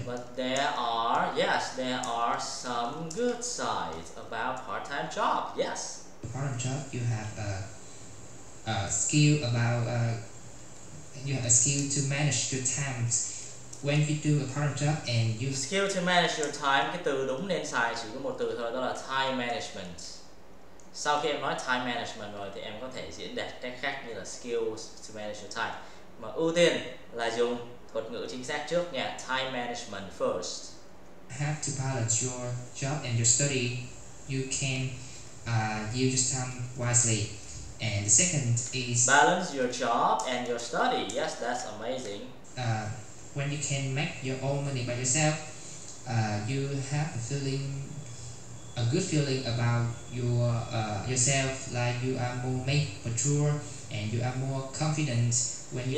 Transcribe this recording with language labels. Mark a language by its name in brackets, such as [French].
[English] But there are some good sides about part-time job, yes. Part-time job, you have a skill about... you have a skill to manage your time. When you do a part-time job and you... Skill to manage your time, [Vietnamese] cái từ đúng nên xài chỉ có một từ thôi, đó là [English] time management. [Vietnamese] Sau khi em nói [English] time management [Vietnamese] rồi thì em có thể diễn đạt cách khác như là [English] skills to manage your time. [Vietnamese] Mà ưu tiên là dùng thuật ngữ chính xác trước nha, [English] time management first. Have to balance your job and your study, you can use your time wisely. And the second is... Balance your job and your study, yes, that's amazing. When you can make your own money by yourself, you have a good feeling about yourself, like you are more mature and you are more confident when you...